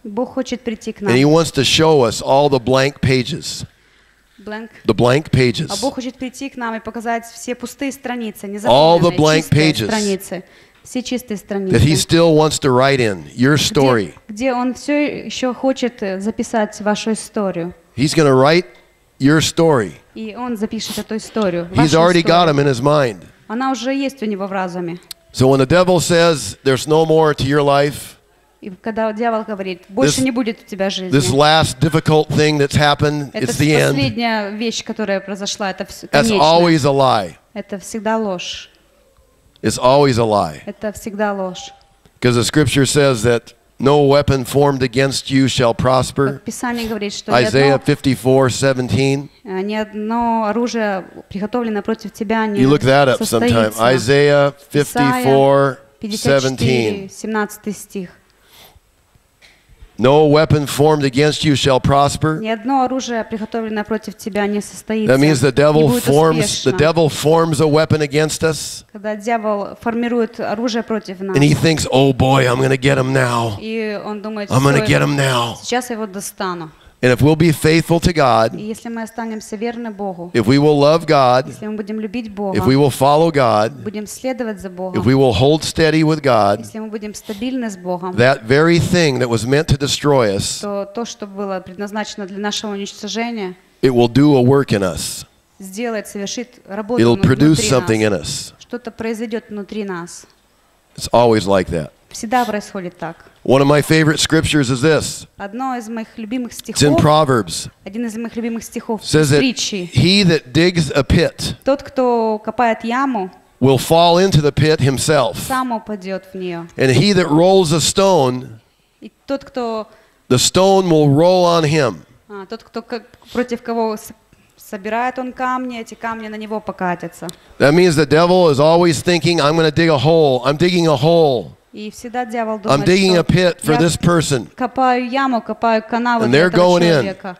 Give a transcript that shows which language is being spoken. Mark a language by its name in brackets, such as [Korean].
[English] And he wants to show us all the blank pages. The blank pages. [Russian] А Бог хочет прийти к нам и показать все пустые страницы, не заполненные чистые страницы, все чистые страницы. [English] That He still wants to write in your story. [Russian] Где Он все еще хочет записать вашу историю. [English] He's going to write your story. [Russian] И Он запишет эту историю. [English] He's already got them in His mind. [Russian] Она уже есть у него в разуме. [English] So when the devil says there's no more to your life. [Russian] И когда дьявол говорит, больше не будет у тебя жизни. [English] This last difficult thing that's happened, it's the end. [Russian] Это последняя вещь, которая произошла, это все конечно. [English] That's always a lie. [Russian] Это всегда ложь. [English] It's always a lie. [Russian] Это всегда ложь. [English] Because the scripture says that no weapon formed against you shall prosper. [Russian] Писание говорит, что [English] Isaiah 54:17. [Russian] Ни одно оружие, приготовленное против тебя, не состоится. [English] You look that up sometime. Isaiah 54:17. No weapon formed against you shall prosper. [Russian] Ни одно оружие, приготовленное против тебя, не состоится. [English] That means the devil forms a weapon against us. [Russian] Когда дьявол формирует оружие против нас. [English] And he thinks, oh boy, I'm going to get him now. [Russian] И он думает, [English] I'm going to get him now. [Russian] Сейчас я его достану. [English] And if we'll be faithful to God, [Russian] если мы останемся верны Богу, [English] if we will love God, [Russian] если мы будем любить Бога, [English] if we will follow God, [Russian] будем следовать за Богом, [English] if we will hold steady with God, [Russian] если мы будем стабильны с Богом, [English] that very thing that was meant to destroy us, [Russian] то, что было предназначено для нашего уничтожения, [English] it will do a work in us. [Russian] Сделает, совершит работу. [English] It'll produce something in us. [Russian] Что-то произойдет внутри нас. [English] It's always like that. [Russian] Всегда происходит так. [English] One of my favorite scriptures is this. It's in Proverbs. [Russian] Один из моих любимых стихов. [English] Says that he that digs a pit, [Russian] тот, кто копает яму, [English] will fall into the pit himself. [Russian] Сам упадет в нее. [English] And he that rolls a stone, [Russian] и тот, кто, [English] the stone will roll on him. [Russian] А, тот, кто против кого собирает он камни, эти камни на него покатятся. [English] That means the devil is always thinking, I'm going to dig a hole. I'm digging a hole. I'm digging a pit for this person. And they're going in.